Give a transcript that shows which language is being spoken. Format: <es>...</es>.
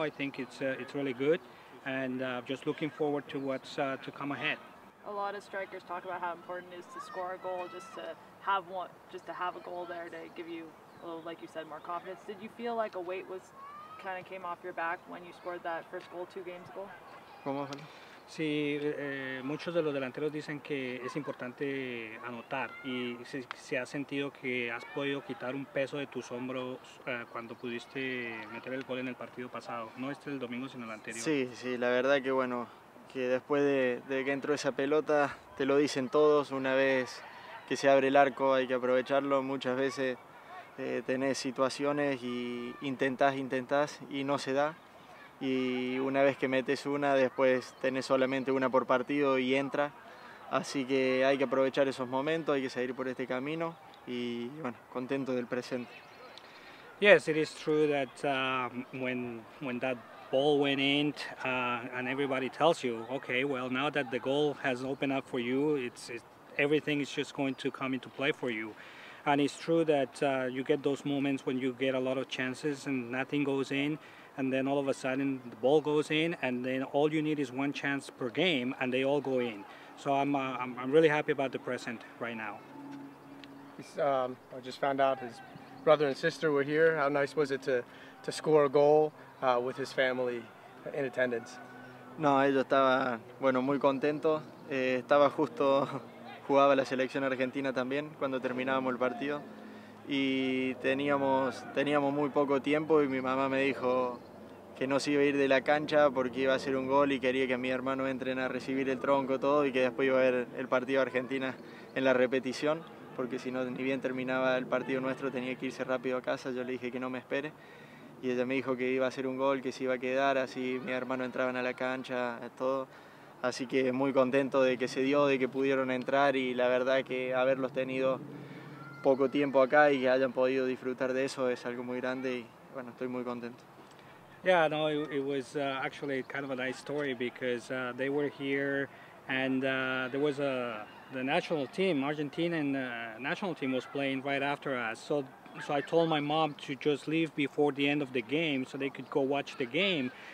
<en>I think it's really good, and just looking forward to what's to come ahead. A lot of strikers talk about how important it is to score a goal, just to have a goal there to give you a little, like you said, more confidence. Did you feel like a weight was kind of came off your back when you scored that first goal two games ago?</en> <es>¿Cómo fue? Sí, muchos de los delanteros dicen que es importante anotar y se ha sentido que has podido quitar un peso de tus hombros cuando pudiste meter el gol en el partido pasado, no este el domingo sino el anterior. Sí, la verdad que bueno, que después de que entró esa pelota, te lo dicen todos, una vez que se abre el arco hay que aprovecharlo, muchas veces tenés situaciones y intentás y no se da. Y una vez que metes una, después tenés solamente una por partido y entra. Así que hay que aprovechar esos momentos, hay que seguir por este camino y bueno, contento del presente.</es> <en>Yes, it is true that when that ball went in and everybody tells you, okay, well, now that the goal has opened up for you, everything is just going to come into play for you. And it's true that you get those moments when you get a lot of chances and nothing goes in. And then all of a sudden the ball goes in, and then all you need is one chance per game, and they all go in. So I'm really happy about the present right now. I just found out his brother and sister were here. How nice was it to score a goal with his family in attendance?</en> <es>No, ellos estaban bueno, muy contentos. Estaba justo jugaba la selección argentina también cuando terminábamos el partido, y teníamos muy poco tiempo, y mi mamá me dijo que no se iba a ir de la cancha porque iba a hacer un gol y quería que mi hermano entre a recibir el tronco todo y que después iba a ver el partido de Argentina en la repetición, porque si no, ni bien terminaba el partido nuestro, tenía que irse rápido a casa. Yo le dije que no me espere y ella me dijo que iba a hacer un gol, que se iba a quedar, así mi hermano entraba a la cancha, todo. Así que muy contento de que se dio, de que pudieron entrar, y la verdad que haberlos tenido poco tiempo acá y que hayan podido disfrutar de eso es algo muy grande, y bueno, estoy muy contento.</es> <en>Yeah, no, it was actually kind of a nice story because they were here, and there was the national team, Argentinian national team was playing right after us. So I told my mom to just leave before the end of the game so they could go watch the game.</en>